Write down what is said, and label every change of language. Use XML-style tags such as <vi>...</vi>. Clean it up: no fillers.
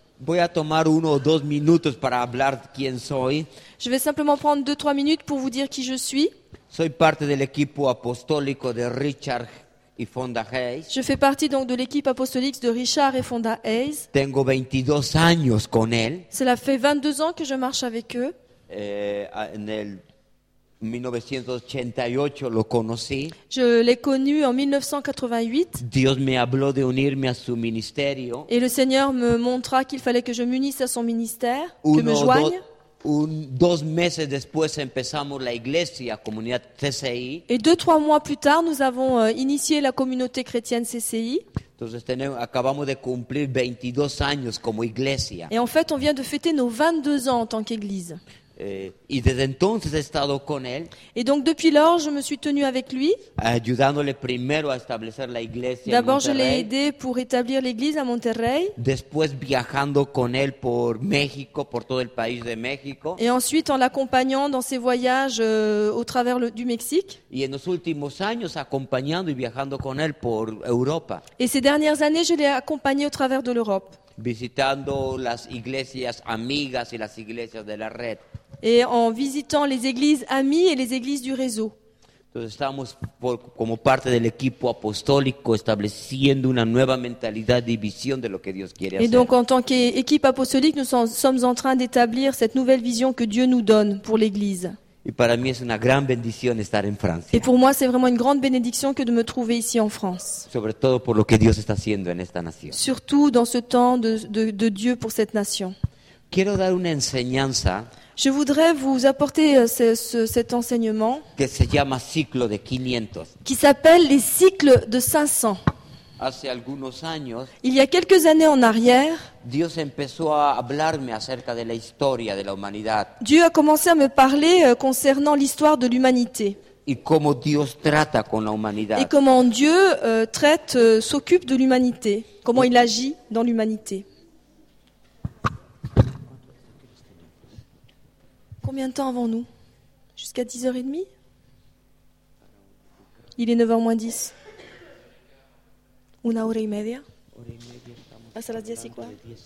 <es>Voy a tomar uno o dos minutos para hablar quién soy.</es> <fr>Je vais simplement prendre 2-3 minutes pour vous dire qui je suis.</fr> <es>Soy parte del equipo apostólico de Richard y Fonda Hayes.</es> <fr>Je fais partie donc de l'équipe apostolique de Richard et Fonda Hayes.</fr> <es>Tengo 22 años con él.</es> <fr>Cela fait 22 ans que je marche avec eux.</fr> <es>En el 1988 lo conocí.</es> <fr>Je l'ai connu en 1988.</fr> <es>Dios me habló de unirme a su ministerio.</es> <fr>Et le Seigneur me montra qu'il fallait que je m'unisse à son ministère, que me joigne.</fr> <es>Dos meses después empezamos la iglesia, comunidad CCI.</es> <fr>Et 2-3 mois plus tard, nous avons initié la communauté chrétienne CCI.</fr> <es>Entonces acabamos de cumplir 22 años como iglesia.</es> <fr>Et en fait, on vient de fêter nos 22 ans en tant qu'église.</fr> <es>Y desde entonces he estado con él.</es> <fr>Et donc depuis lors, je me suis tenu avec lui.</fr> <es>Ayudándole primero a establecer la iglesia.</es> <fr>D'abord,</fr> <es>en Monterrey.</es> <fr>Je l'ai aidé pour établir l'église à Monterrey.</fr> <es>Después viajando con él por México, por todo el país de México.</es> <fr>Et ensuite en l'accompagnant dans ses voyages au travers du Mexique.</fr> <es>Y en los últimos años acompañando y viajando con él por Europa.</es> <fr>Et ces dernières années, je l'ai accompagné au travers de l'Europe.</fr> <es>Visitando las iglesias amigas y las iglesias de la red.</es> <fr>Et en visitant les églises amies et les églises du réseau.</fr> <es>Entonces estamos por, como parte del equipo apostólico estableciendo una nueva mentalidad de visión de lo que Dios quiere</es> <fr>et</fr> <es>hacer.</es> <fr>Et donc en tant qu'équipe apostolique, nous sommes en train d'établir cette nouvelle vision que Dieu nous donne pour l'église.</fr> <es>Y para mí es una gran bendición estar en Francia.</es> <fr>Et pour moi, c'est vraiment une grande bénédiction que de me trouver ici en France.</fr> <es>Sobre todo por lo que Dios está haciendo en esta nación.</es> <fr>Surtout dans ce temps de Dieu pour cette nation.</fr> <es>Quiero dar una enseñanza.</es> <fr>Je voudrais vous apporter cet enseignement</fr> <es>que se llama ciclo de 500.</es> <fr>Qui s'appelle les cycles de 500.</fr> <es>Hace algunos años,</es> <fr>il y a quelques années en arrière,</fr> <es>Dios empezó a hablarme acerca de la historia de la humanidad.</es> <fr>Dieu a commencé à me parler concernant l'histoire de l'humanité.</fr> <es>Y cómo Dios trata con la humanidad.</es> <fr>Et comment Dieu s'occupe de l'humanité, comment il agit dans l'humanité. Combien de temps avons-nous ? Jusqu'à 10h30 ? Il est 9h10.</fr> <es>Una hora y media. Hasta las 10 y cuarto.</es>